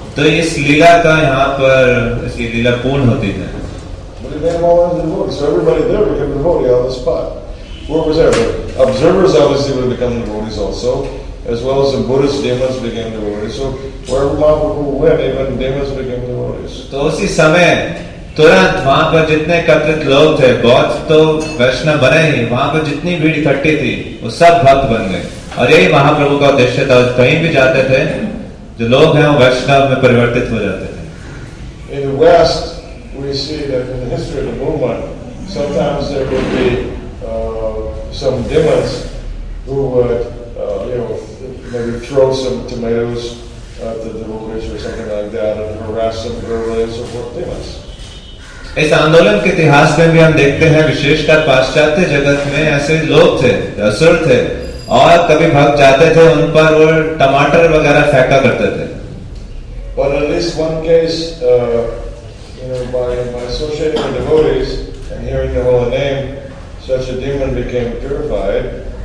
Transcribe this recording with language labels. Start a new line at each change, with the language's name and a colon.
Hindi: तो इस लीला का यहाँ पर इसकी लीला पूर्ण होती है.
English: But it became all the devotees. So everybody there became devotee on the spot. Where was everybody? Observers obviously would become devotees also, as well as the Buddhist demons became devotees. So wherever Mahaprabhu went, even demons became devotees.
Hindi: तो उसी समय तुरंत वहां पर जितने एकत्रित लोग थे बौद्ध तो वैष्णव बने ही वहां पर जितनी भीड़ इकट्ठी थी वो सब भक्त बन गए और यही महाप्रभु का उद्देश्य था. कहीं भी जाते थे जो लोग हैं वो वैष्णव में परिवर्तित हो जाते थे.
English: In the West, we see that in the history of the movement, sometimes there would be some demons who would, maybe throw some tomatoes at the devotees or something like that and harass them verbally and so forth. Demons.
Hindi: इस आंदोलन के इतिहास में भी हम देखते हैं विशेषकर पाश्चात्य जगत में ऐसे लोग थे असुर थे और कभी भक्त जाते थे उन पर वो टमाटर वगैरह फेंका करते थे.
English: But at least one case, by associating with devotees and hearing the holy name, such a demon became purified.